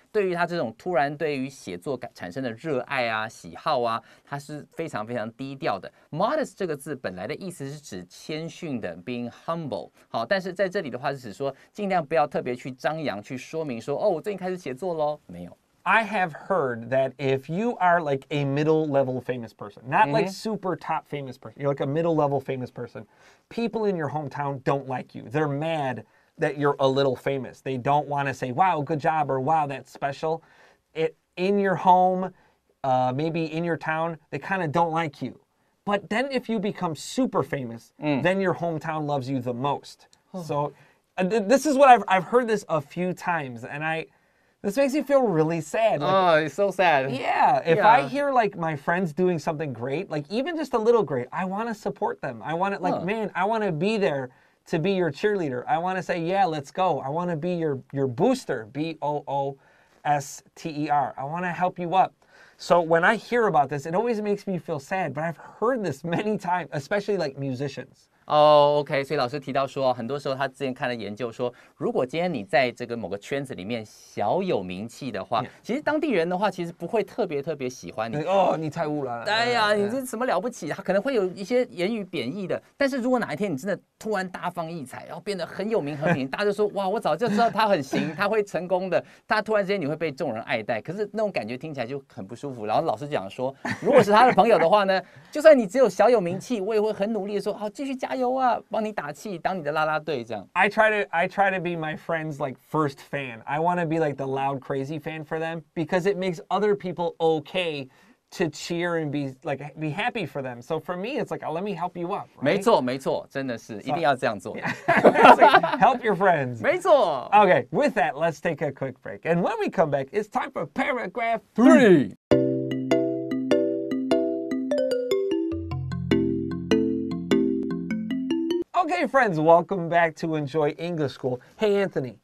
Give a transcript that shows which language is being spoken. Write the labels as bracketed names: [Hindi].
[Chinese] 对于他这种突然对于写作产生的热爱啊喜好啊他是非常非常低调的。 Modest 这个字本来的意思是指谦逊的 [English] being humble. [Chinese] 好但是在这里的话是指说尽量不要特别去张扬去说明说哦我最近开始写作咯。没有。 [English] I have heard that if you are like a middle level famous person, not like super top famous person, you're like a middle level famous person, people in your hometown don't like you. They're mad. That you're a little famous. They don't want to say, wow, good job, or wow, that's special. In your home, maybe in your town, they kind of don't like you. But then if you become super famous, then your hometown loves you the most. So this is what I've heard this a few times, and this makes me feel really sad. Like, oh, it's so sad. Yeah. If I hear like my friends doing something great, like even just a little great, I want to support them. I want to I want to be there. To be your cheerleader, I want to say, yeah, let's go. I want to be your booster, B-O-O-S-T-E-R. I want to help you up. So when I hear about this, it always makes me feel sad, but I've heard this many times, especially like musicians. [Chinese] OK， 所以老师提到说，很多时候他之前看了研究说，如果今天你在这个某个圈子里面小有名气的话， yeah. 其实当地人的话其实不会特别特别喜欢你。哦，你太污了。哎呀，你这什么了不起？他可能会有一些言语贬义的。但是如果哪一天你真的突然大放异彩，然后变得很有名很有名，大家就说哇，我早就知道他很行，他会成功的。他突然之间你会被众人爱戴，可是那种感觉听起来就很不舒服。然后老师讲说，如果是他的朋友的话呢，就算你只有小有名气，我也会很努力的说好，继续加油。帮你打气，当你的啦啦队这样。 [English] I try to be my friend's like first fan. I want to be like the loud crazy fan for them because it makes other people okay to cheer and be happy for them. So for me, it's like, let me help you up. Right? [Chinese] 没错，没错，真的是 so, 一定要这样做。 [English] Yeah. like, help your friends. [Chinese] 没错。 [English] Okay, with that, let's take a quick break. And when we come back, it's time for paragraph three. Okay, friends, welcome back to Enjoy English School. Hey, Anthony.